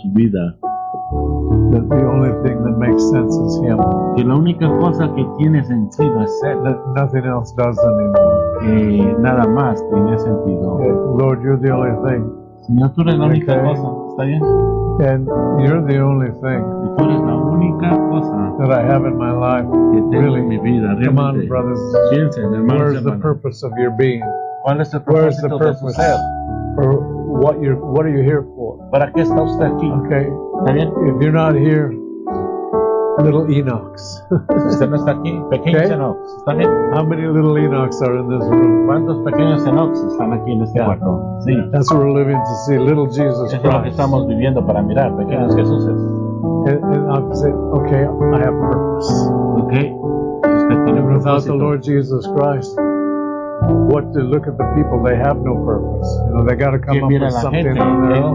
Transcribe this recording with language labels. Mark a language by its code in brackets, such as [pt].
[en] That the only thing that makes sense is him. [es] Que la única cosa que tiene sentido es él. [en] That nothing else does anymore. [es] Nada más tiene sentido. [en] Lord, you're the only thing. [es] Señor, tú eres la única cosa. ¿Está bien? [en] And you're the only thing. [es] Y tú eres la única cosa [en] that I have in my life. [es] Que tengo [en] really. [es] En mi vida. [en] Come on, brothers. [es] Piensen, hermanos. [en] Where's the purpose of your being? [es] ¿Cuál es el propósito de su ser? [en] What are you here for? [es] ¿Para qué está usted aquí? [en] Okay. [es] ¿Está bien? [en] If you're not here, little Enochs. [es] ¿Usted no está aquí? Pequeños okay. Enochs. ¿Está bien? [en] How many little Enochs are in this room? [es] ¿Cuántos pequeños Enochs están aquí en este cuarto? Sí. [en] That's what we're living to see, little Jesus Christ. [es] Es lo que estamos viviendo para mirar, pequeños Jesús. [en] And I say, okay, I have purpose. Okay. Without the Lord Jesus Christ. What to look at the people, they have no purpose. You know, they got to come up with something on their own.